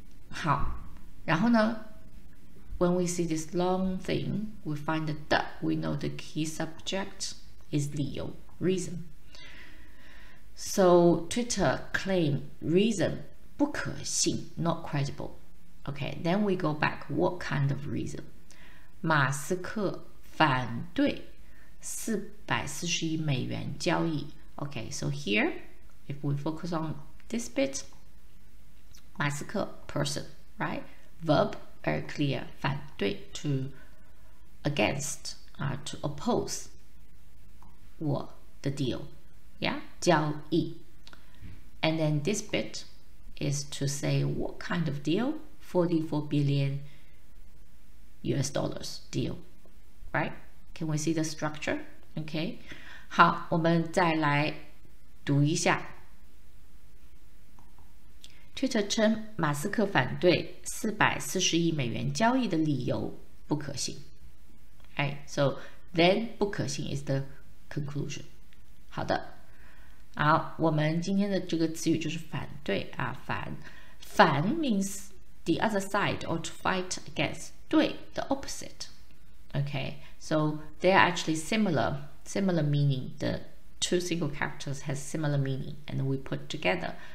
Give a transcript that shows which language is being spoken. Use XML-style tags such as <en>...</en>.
<zh>好，然后呢</zh> <en>When we see this long thing, we find the we know the key subject is 理由 reason. So Twitter claim reason 不可信 not credible. Okay, then we go back what kind of reason?</en> <zh>马斯克反对440亿美元交易。</zh> <en>OK, so here, if we focus on this bit, 马斯克 person, right? Verb, very clear, 反对 to against, to oppose 我的 deal, yeah? 交易。 And then this bit is to say what kind of deal? $44 billion deal, right? Can we see the structure? Okay.</en> <zh>好，我们再来读一下。 Twitter 称马斯克反对$440 billion交易的理由不可行。</zh> <en>Right, so then 不可行 is the conclusion.</en> <zh>好的。好，我们今天的这个词语就是反对啊，反。</zh> <en>反 means the other side or to fight against. 对 the opposite. Okay, so they are actually similar meaning. The two single characters has similar meaning and we put together.</en>